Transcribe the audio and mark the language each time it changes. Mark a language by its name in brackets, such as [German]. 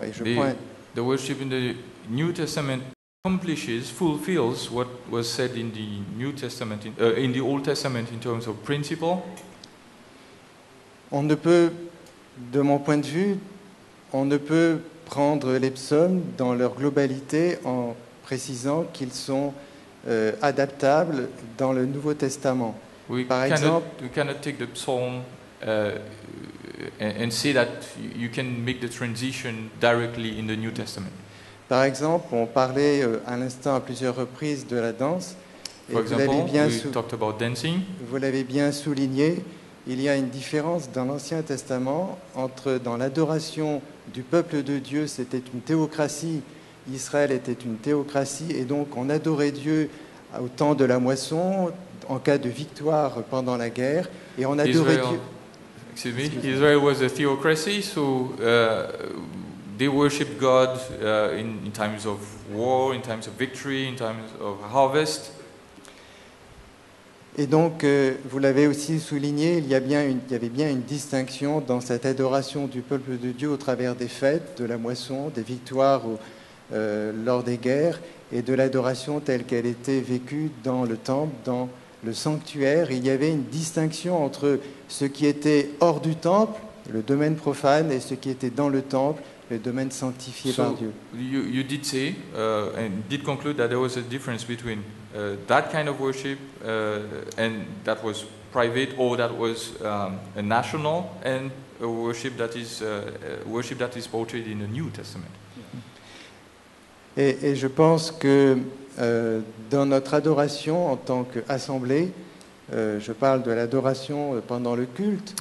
[French] Et [English] The worship in the New Testament accomplishes, fulfills what was said in the New Testament, in the Old Testament, in terms of principle. [French] On ne peut, de mon point de vue, on ne peut prendre les psaumes dans leur globalité en précisant qu'ils sont adaptables dans le Nouveau Testament. [English] We cannot take the psalm and say that you can make the transition directly in the New Testament. [French] Par exemple, on parlait à l'instant à plusieurs reprises de la danse. Et vous l'avez bien souligné, il y a une différence dans l'Ancien Testament entre dans l'adoration du peuple de Dieu, c'était une théocratie, Israël était une théocratie, et donc on adorait Dieu au temps de la moisson, en cas de victoire pendant la guerre, et on adorait Dieu. [English] Excuse me, Israël was a theocracy, so. They worship God in times of war, in times of victory, in times of harvest. [French] Et donc, vous l'avez aussi souligné, il y avait bien une distinction dans cette adoration du peuple de Dieu au travers des fêtes, de la moisson, des victoires lors des guerres, et de l'adoration telle qu'elle était vécue dans le temple, dans le sanctuaire. Il y avait une distinction entre ce qui était hors du temple, le domaine profane, et ce qui était dans le temple, le domaine sanctifié [English] so [French] par Dieu. [English] You did say and did conclude that there was a difference between that kind of worship and that was private or that was a national and a worship that is portrayed in the New Testament. [French] Et je pense que dans notre adoration en tant qu'assemblée, je parle de l'adoration pendant le culte.